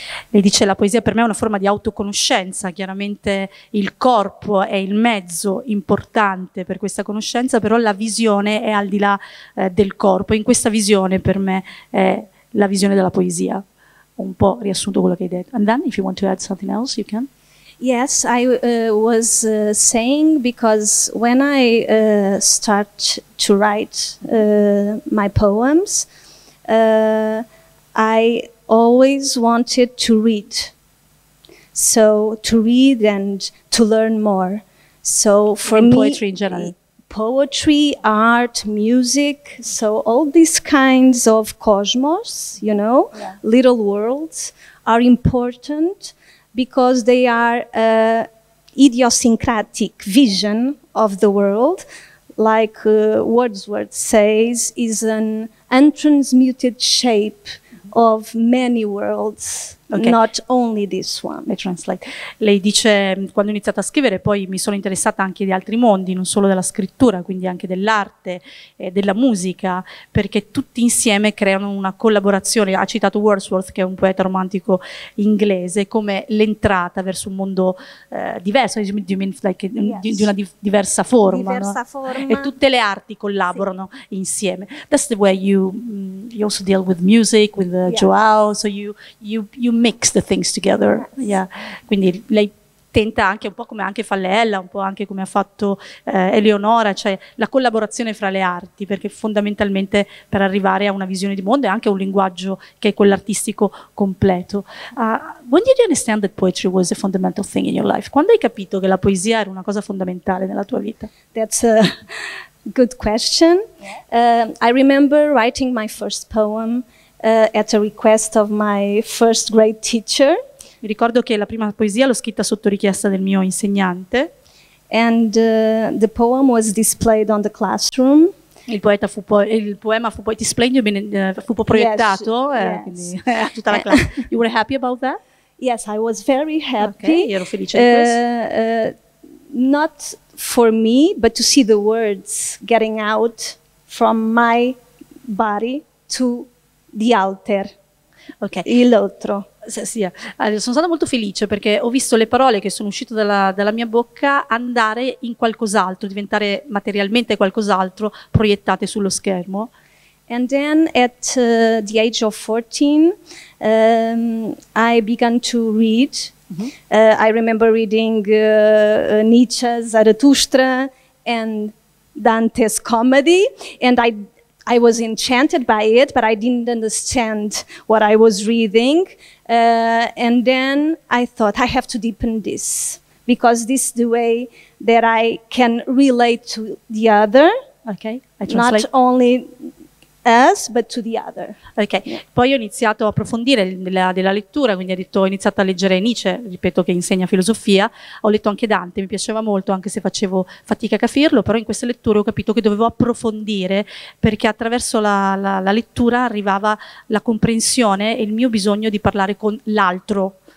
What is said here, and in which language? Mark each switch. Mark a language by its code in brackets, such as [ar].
[it] E dice, la poesia per me è una forma di autoconoscenza, chiaramente il corpo è il mezzo importante per questa conoscenza, però la visione è al di là del corpo, in questa visione per me è la visione della poesia. Ho un po' riassunto quello che hai detto. [en] And then, if you want to add something else, you can. Yes, I was saying, because when I start to write my poems, I always wanted to read. So to read and to learn more. So for in me, poetry in general. Poetry, art, music, so all these kinds of cosmos, you know, yeah. Little worlds are important because they are idiosyncratic vision of the world, like Wordsworth says, is an untransmuted shape of many worlds, okay. Not only this one. I translate. [it] Lei dice, quando ho iniziato a scrivere, poi mi sono interessata anche di altri mondi, non solo della scrittura, quindi anche dell'arte, della musica, perché tutti insieme creano una collaborazione. Ha citato Wordsworth, che è un poeta romantico inglese, come l'entrata verso un mondo diverso, di una diversa forma. Diversa, no? Forma. E tutte le arti collaborano, sì. Insieme. [en] That's the way you also deal with music, with yes. Joao, so you mix the things together. Yes. Yeah. [it] Quindi lei tenta anche un po' come anche fa Leella, un po' anche come ha fatto Eleonora, cioè la collaborazione fra le arti, perché fondamentalmente per arrivare a una visione di mondo e anche un linguaggio che è quell'artistico completo. [en] When did you understand that poetry was a fundamental thing in your life? [it] Quando hai capito che la poesia era una cosa fondamentale nella tua vita? [en] That's a good question. I remember writing my first poem at a request of my first grade teacher. [it] Mi ricordo che la prima poesia l'ho scritta sotto richiesta del mio insegnante. [en] And the poem was displayed on the classroom. [it] Il poema fu poi displayed, fu poi proiettato, [en] yes. [it] Quindi, tutta la classe. [en] You were happy about that? Yes, I was very happy. [it] Okay, ero felice di questo. [en] Not for me, but to see the words getting out from my body to di alter, okay. [it] L'altro. Sì, sì. Sono stata molto felice perché ho visto le parole che sono uscite dalla mia bocca andare in qualcos'altro, diventare materialmente qualcos'altro, proiettate sullo schermo. [en] And then at the age of 14 I began to read. Mm-hmm. I remember reading Nietzsche, Zarathustra and Dante's Comedy, and I was enchanted by it, but I didn't understand what I was reading. And then I thought, I have to deepen this, because this is the way that I can relate to the other. Okay, I translate. Not only us, but to the other. Okay, yeah. [it] Poi ho iniziato a approfondire della lettura, quindi ho iniziato a leggere Nietzsche, ripeto che insegna filosofia, ho letto anche Dante, mi piaceva molto anche se facevo fatica a capirlo, però in queste letture ho capito che dovevo approfondire, perché attraverso la lettura arrivava la comprensione e il mio bisogno di parlare con l'altro.